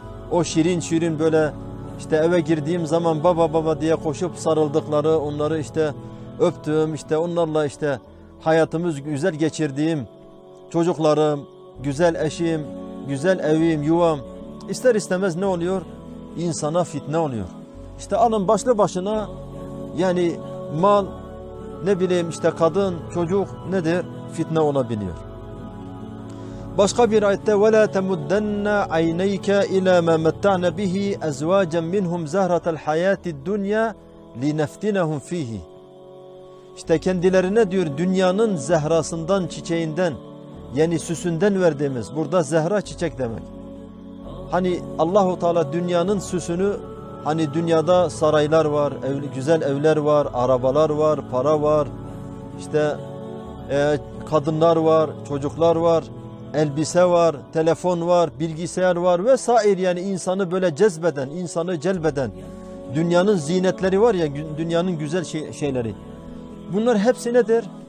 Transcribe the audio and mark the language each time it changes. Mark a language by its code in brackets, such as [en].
[tr] O şirin şirin böyle işte eve girdiğim zaman baba baba diye koşup sarıldıkları, onları işte öptüğüm, işte onlarla işte hayatımız güzel geçirdiğim çocuklarım, güzel eşim, güzel evim, yuvam, ister istemez ne oluyor? İnsana fitne oluyor. İşte alın başlı başına, yani mal, ne bileyim işte kadın, çocuk nedir? Fitne olabiliyor. Başka bir ayette [ar] وَلَا تَمُدَّنَّ عَيْنَيْكَ اِلَى مَا مَتَّعْنَ بِهِ اَزْوَاجًا مِنْهُمْ زَهْرَةَ الْحَيَاةِ الدُّنْيَا لِنَفْتِنَهُمْ ف۪يهِ. [tr] İşte kendilerine diyor, dünyanın zehrasından, çiçeğinden, yani süsünden verdiğimiz, burada zehra çiçek demek. Hani Allah-u Teala dünyanın süsünü, hani dünyada saraylar var, güzel evler var, arabalar var, para var, işte kadınlar var, çocuklar var, elbise var, telefon var, bilgisayar var vesaire, yani insanı böyle cezbeden, insanı celbeden, dünyanın ziynetleri var ya, dünyanın güzel şeyleri. Bunlar hepsi nedir?